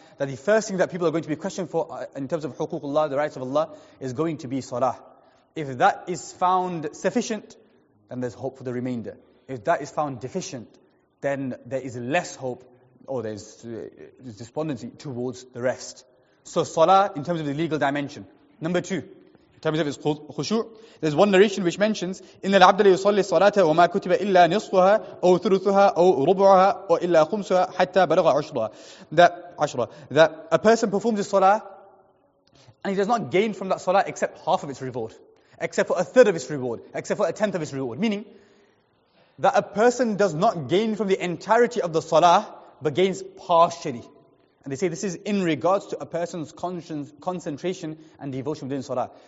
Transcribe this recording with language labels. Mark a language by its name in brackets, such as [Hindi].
[English] That the first thing that people are going to be questioned for in terms of [Arabic] حقوق الله, [English] the rights of Allah, is going to be salah. If that is found sufficient, then there's hope for the remainder. If that is found deficient, then there is less hope, or there's despondency towards the rest. So salah, in terms of the legal dimension. Number two, in terms of its khushu', there's one narration which mentions, [Arabic] إِنَّ الْعَبْدَ لَيُصَلِّ الصَّلَاةَ وَمَا كُتِبَ إِلَّا نِصْفُهَا أَوْ ثُلُثُهَا أَوْ رُبُعُهَا أَوْ إِلَّا خُمْسُهَا حَتَّى بَلَغَ عُشْرَهَا. [English] That a person performs a salah, and he does not gain from that salah except half of its reward, except for a third of his reward, except for a tenth of his reward. Meaning, that a person does not gain from the entirety of the salah, but gains partially. And they say this is in regards to a person's conscience, concentration and devotion within salah.